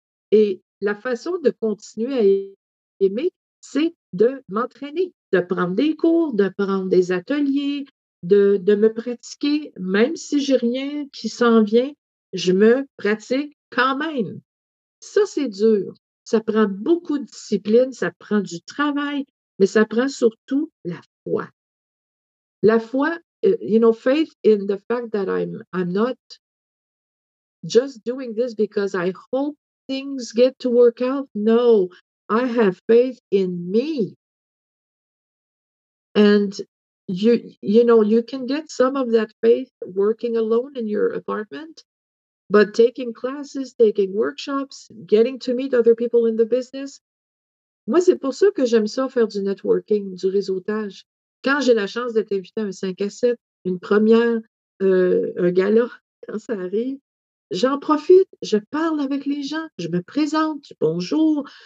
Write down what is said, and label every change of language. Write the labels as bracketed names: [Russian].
[French] Et la façon de continuer à aimer, c'est de m'entraîner, de prendre des cours, de prendre des ateliers, de me pratiquer. Même si j'ai rien qui s'en vient, je me pratique quand même. Ça, c'est dur. Ça prend beaucoup de discipline, ça prend du travail. Mais ça prend surtout la foi. La foi, [English] you know, faith in the fact that I'm not just doing this because I hope things get to work out. No, I have faith in me. And you know, you can get some of that faith working alone in your apartment, but taking classes, taking workshops, getting to meet other people in the business. [French] Moi, c'est pour ça que j'aime ça faire du networking, du réseautage. Quand j'ai la chance d'être invitée à un 5 à 7, une première, un gala, quand ça arrive, j'en profite, je parle avec les gens, je me présente, bonjour.